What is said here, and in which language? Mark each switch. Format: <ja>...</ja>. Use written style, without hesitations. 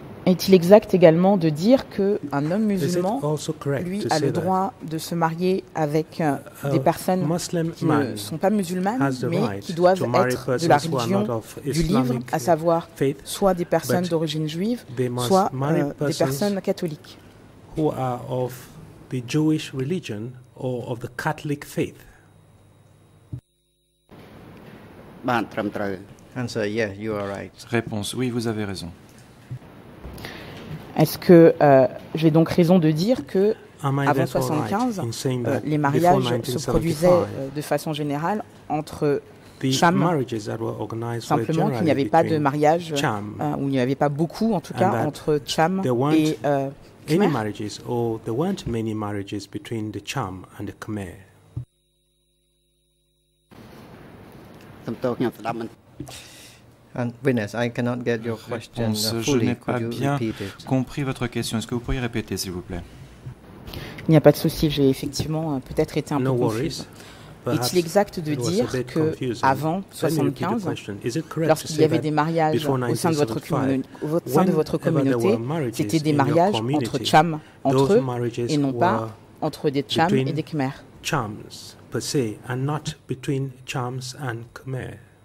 <fr>Est-il exact également de dire qu'un homme musulman, lui, a le droit de se marier avec des personnes qui ne sont pas musulmanes, mais qui doivent être de la religion du livre, à savoir soit des personnes d'origine juive, soit des personnes catholiques ?</fr> <en>Who are of the Jewish religion or of the Catholic faith? Answer, yeah, you are right.</en> <fr>Réponse, oui, vous avez raison. Est-ce que j'ai donc raison de dire que avant 75, les mariages se produisaient de façon générale entre Cham, simplement qu'il n'y avait pas de mariage, ou il n'y avait pas beaucoup, en tout cas, entre Cham et</fr> <en>any marriages, or there weren't many marriages between the Cham and the Khmer. And witness, I cannot get your question fully.</en> <fr>Je n'ai pas bien compris votre question. Est-ce que vous pourriez répéter, s'il vous plaît? Il n'y a pas de souci. J'ai effectivement peut-être été un peu confuse. Est-il exact de dire que avant 1975, lorsqu'il y avait des mariages au sein de votre, votre communauté, c'était des mariages entre Cham entre eux et non pas entre des Cham et des Khmer?</fr> <en>Chams per se, and not between Chams and Khmer.</en>